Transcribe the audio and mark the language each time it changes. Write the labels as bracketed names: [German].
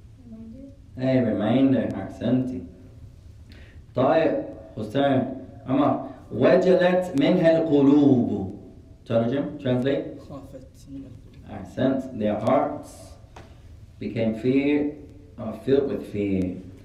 [English] Reminder. Hey, reminder, أحسنتي. [Arabic] طيب, حسين, عمر, وجلت منها القلوب. ترجم, translate. خافت. [English] أحسنت, their hearts became fear, or filled with fear.